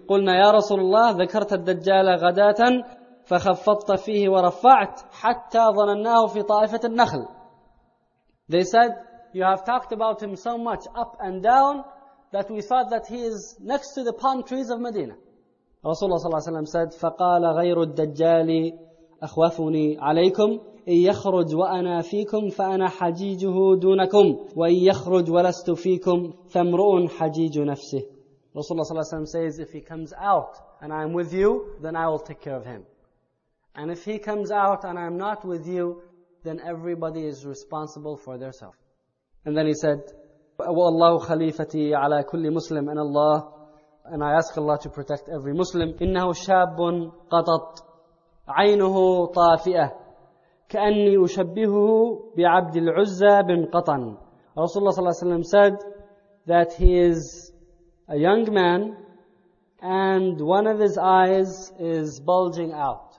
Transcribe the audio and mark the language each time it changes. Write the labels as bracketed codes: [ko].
[ar] قُلْنَا يَا رَسُولُ اللَّهِ ذَكَرْتَ الدَّجَّالَ غَدَاتًا فَخَفَّضْتَ فِيهِ وَرَفَّعْتَ حَتَّى ظَنَنَّاهُ فِي طَائِفَةِ النَّخْلِ. [en] They said, you have talked about him so much up and down that we thought that he is next to the palm trees of Medina. Rasulullah ﷺ said, [ar] فَقَالَ غَيْرُ الدَّجَّالِ أَخْوَفُنِي عَلَيْكُمْ إِنْ يَخْرُجْ وَأَنَا فِيكُمْ فَأَنَا حَجِيجُهُ دُونَكُمْ وَإِنْ يَخْرُجْ وَلَسْتُ فِيكُمْ فَامْرُؤٌ حَجِيجُ نَفْسِهِ. [en] Rasulullah ﷺ says, if he comes out and I am with you, then I will take care of him. And if he comes out and I'm not with you, then everybody is responsible for their self. And then he said, [ar] وَاللَّهُ خَلِيفَتِي عَلَىٰ كُلِّ مُسْلِمٍ. [en] And Allah, and I ask Allah to protect every Muslim. [ar] إِنَّهُ شَابٌ قَطَطْ عَيْنُهُ طَافِئَةٌ كَأَنِّي أُشَبِّهُهُ بِعَبْدِ الْعُزَّى بِنْ قَطَنْ. [en] Rasulullah صلى الله عليه وسلم said that he is a young man and one of his eyes is bulging out.